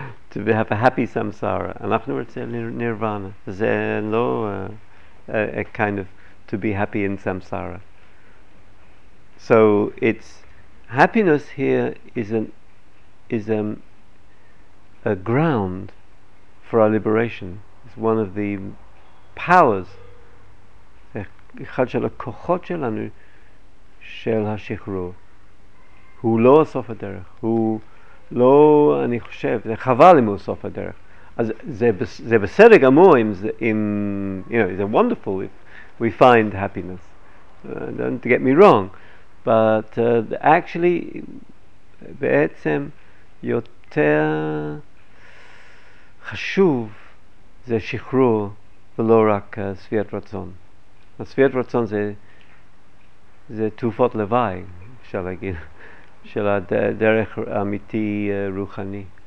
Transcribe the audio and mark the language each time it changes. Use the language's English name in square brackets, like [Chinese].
[English] To have a happy samsara. [Hebrew] אנחנו רוצים נירוונה. זה לא [English] a kind of to be happy in samsara. So it's happiness here is a ground for our liberation. It's one of the powers, [Hebrew] אחד של הכוחות שלנו של השחרור. הוא לא סוף הדרך. הוא לא, אני חושב, זה חבל אם הוא סוף הדרך. אז זה בסדר גמור אם, [English] you know, it's wonderful if we find happiness. Don't get me wrong. But actually, [Hebrew] בעצם יותר חשוב זה שחרור ולא רק שביעת רצון. שביעת רצון זה תעופות לוואי, אפשר להגיד, של הדרך אמיתי רוחני.